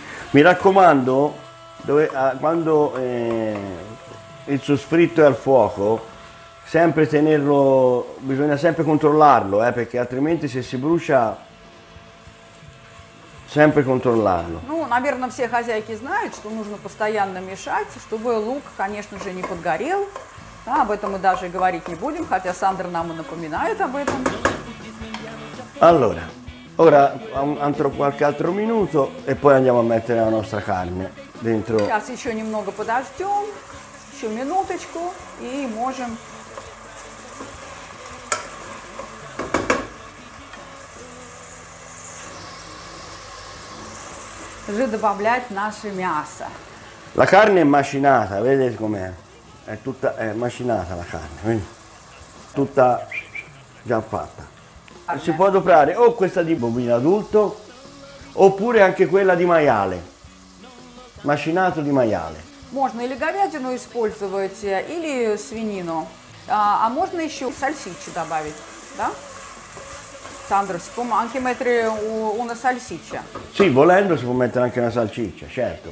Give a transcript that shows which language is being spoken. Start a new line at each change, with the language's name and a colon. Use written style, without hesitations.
Italian: Mi raccomando, quando il soffritto è al fuoco, sempre tenerlo, bisogna sempre controllarlo, perché altrimenti se si brucia, sempre controllarlo.
Russian: Ну, наверное, все хозяйки знают, что нужно постоянно мешать, чтобы лук, конечно же, не подгорел. Да, об этом мы даже говорить не будем, хотя Сандра нам и напоминает об этом.
Italian: Allora. Ora altro qualche altro minuto e poi andiamo a mettere la nostra carne dentro.
Russian: Сейчас еще немного подождем, еще минуточку и можем. Уже добавлять наше мясо.
Italian: La carne è macinata, vedete com'è? è tutta macinata la carne, quindi tutta già fatta. Si può adoperare o questa di bovino adulto, oppure anche quella di maiale, macinato di maiale.
Russian: Можно или говядину использовать, или свинину. А можно еще сальсичу добавить, да?
Italian: Сандро, si può anche mettere una salsiccia? Sì, volendo si può mettere anche una salsiccia, certo.